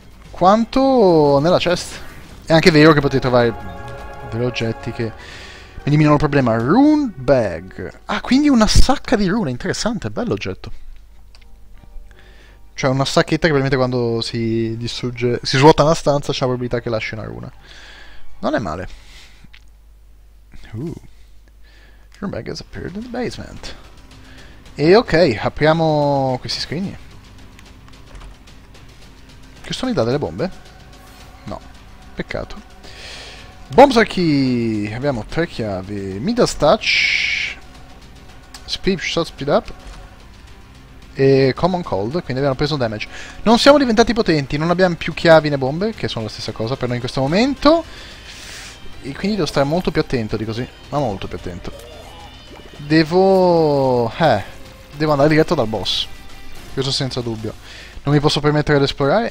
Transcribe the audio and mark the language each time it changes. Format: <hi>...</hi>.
<it>Quanto nella chest. È anche vero che potete trovare degli oggetti che eliminano il problema. Rune bag. Ah, quindi una sacca di rune. Interessante, bello oggetto. Cioè una sacchetta che probabilmente quando si distrugge, si svuota una stanza, c'è la probabilità che lasci una runa. Non è male.</it> <en>Your bag has appeared in the basement.</en> <it>E ok, apriamo questi scrigni. Questo mi dà delle bombe? No, peccato.</it> <en>Bombs are key.</en> <it>Abbiamo 3 chiavi.</it> <en>Middle touch, speed shot, speed up e common cold.</en> <it>Quindi abbiamo preso damage. Non siamo diventati potenti, non abbiamo più chiavi né bombe, che sono la stessa cosa per noi in questo momento. E quindi devo stare molto più attento di così. Ma molto più attento. Devo... devo andare diretto dal boss. Questo senza dubbio. Non mi posso permettere di esplorare.</it>